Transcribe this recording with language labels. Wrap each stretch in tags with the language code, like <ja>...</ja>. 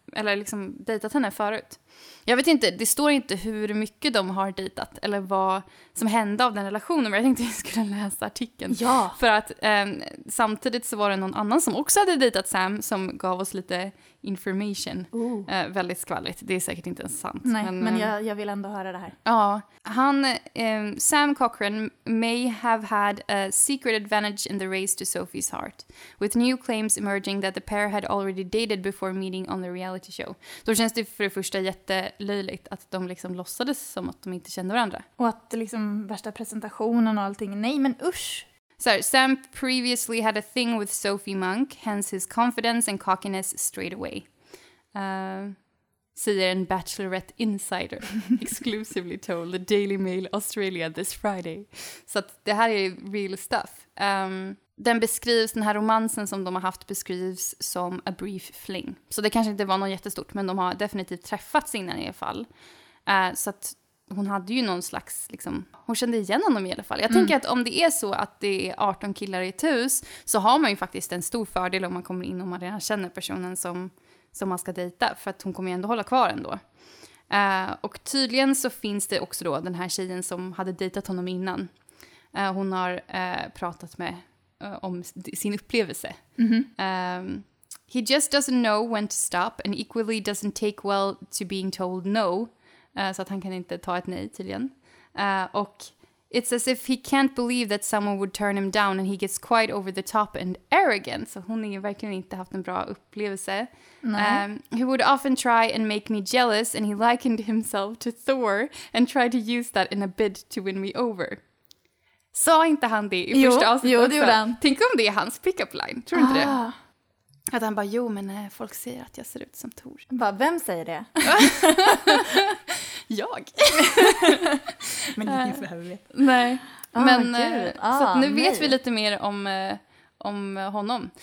<sv>eller liksom dejtat henne förut. Jag vet inte, det står inte hur mycket de har dejtat eller vad som hände av den relationen, men jag tänkte att jag skulle läsa artikeln. Ja. För att samtidigt så var det någon annan som också hade dejtat Sam som gav oss lite information. Väldigt skvalligt, det är säkert inte ens sant. Nej, men jag vill ändå höra det här. Ja, han,</sv> <en>Sam Cochran may have had a secret advantage in the race to Sophie's heart, with new claims emerging that the pair had already dated before meeting on the reality show.</en> <sv>Då känns det för det första jättelöjligt att de liksom låtsades som att de inte kände varandra. Och att liksom värsta presentationen och allting, nej men usch!</sv> <en>So, Sam previously had a thing with Sophie Monk, hence his confidence and cockiness straight away.</en> <sv>Säger en Bachelorette insider,</sv> <en>exclusively told the Daily Mail Australia this Friday.</en> <sv>Så att det här är</sv> <en>real stuff.</en> <sv>Den beskrivs, den här romansen som de har haft beskrivs som</sv> <en>a brief fling.</en> <sv>Så det kanske inte var något jättestort, men de har definitivt träffats innan i alla fall. Så att hon hade ju någon slags, liksom, hon kände igen honom i alla fall. Jag tänker att om det är så att det är 18 killar i ett hus, så har man ju faktiskt en stor fördel om man kommer in och man redan känner personen som man ska dejta, för att hon kommer ju ändå hålla kvar ändå. Och tydligen så finns det också då den här tjejen som hade dejtat honom innan. Hon har pratat med om sin upplevelse. Mm-hmm.</sv> <en>He just doesn't know when to stop and equally doesn't take well to being told no.</en> <sv>Så att han kan inte ta ett nej tydligen. Och</sv> <en>it's as if he can't believe that someone would turn him down and he gets quite over the top and arrogant.</en> <sv>Så hon har verkligen inte haft en bra upplevelse.</sv> <en>He would often try and make me jealous and he likened himself to Thor and tried to use that in a bid to win me over.</en> <sv>Sa inte han det i första avsnittet? Jo, det gjorde han. Tänk om det är hans pick-up line, tror du inte det? Att han bara, jo men folk säger att jag ser ut som Thor. Bara, vem säger det? Jag. Men det är inte för övrigt. Nej. Men, så att nu vet vi lite mer om honom.</sv>